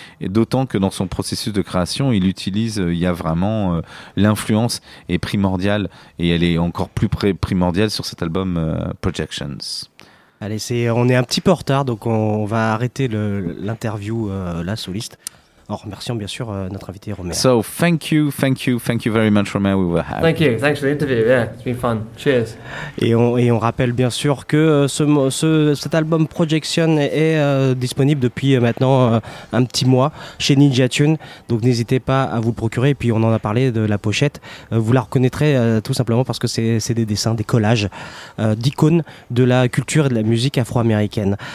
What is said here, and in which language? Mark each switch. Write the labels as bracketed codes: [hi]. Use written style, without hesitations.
[fr] Et d'autant que dans son processus de création, il y a vraiment l'influence est primordiale, et elle est encore plus primordiale sur cet album Projections. Allez, on est un petit peu en retard, donc on va arrêter l'interview soliste. En remerciant bien sûr notre invité Romer. [en] So thank you very much Romer, we were happy. Thank you, thanks for the interview, yeah, it's been fun, cheers. [fr] Et on rappelle bien sûr que cet album Projection est disponible depuis maintenant un petit mois chez Ninja Tune, donc n'hésitez pas à vous le procurer, et puis on en a parlé de la pochette, vous la reconnaîtrez tout simplement parce que c'est des dessins, des collages d'icônes de la culture et de la musique afro-américaine.